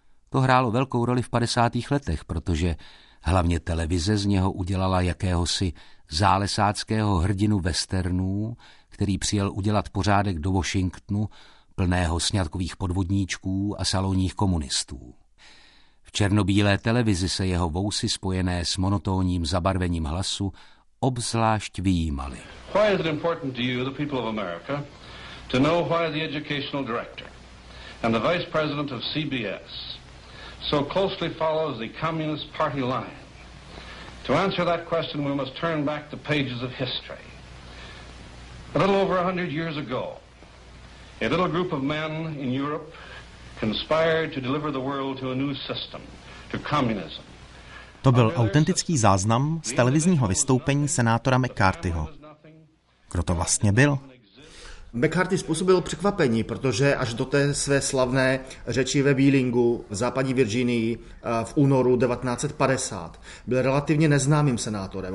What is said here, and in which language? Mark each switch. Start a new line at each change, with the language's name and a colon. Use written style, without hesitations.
Czech: To hrálo velkou roli v 50. letech, protože hlavně televize z něho udělala jakéhosi zálesáckého hrdinu westernů, který přijel udělat pořádek do Washingtonu, plného sňatkových podvodníčků a salonních komunistů. V černobílé televizi se jeho vousy spojené s monotónním zabarvením hlasu obzvlášť vyjímaly.
English: Why is it important to you, the people of America, to know why the educational director and the vice president of CBS so closely follows the communist party line? To answer that question, we must turn back the pages of history. A little over 100 years ago, a little group of men in Europe conspired to deliver the world to a new system, to communism.
Czech: To byl autentický záznam z televizního vystoupení senátora McCarthyho. Kdo to vlastně byl? McCarthy způsobil překvapení, protože až do té své slavné řeči ve Wheelingu v západní Virginii v únoru 1950 byl relativně neznámým senátorem.